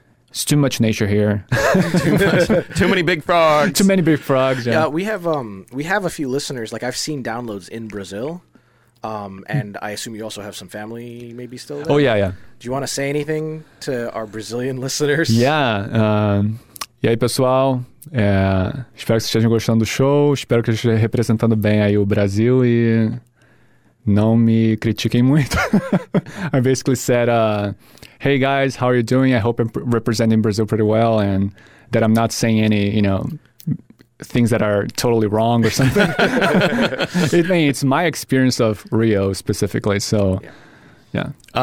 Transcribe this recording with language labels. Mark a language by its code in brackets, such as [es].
[en] It's too much nature here. Too many big frogs. Too many big frogs. Yeah, We have a few listeners. Like, I've seen downloads in Brazil, and I assume you also have some family maybe still there. Oh, yeah, yeah. Do you want to say anything to our Brazilian listeners? Yeah. [pt] E aí, pessoal? É, espero que vocês estejam gostando do show, espero que eu esteja representando bem aí o Brasil e não me critiquem muito. [en] I basically said, hey guys, how are you doing? I hope I'm representing Brazil pretty well and that I'm not saying any, you know, things that are totally wrong or something. I mean, it's my experience of Rio specifically, so yeah.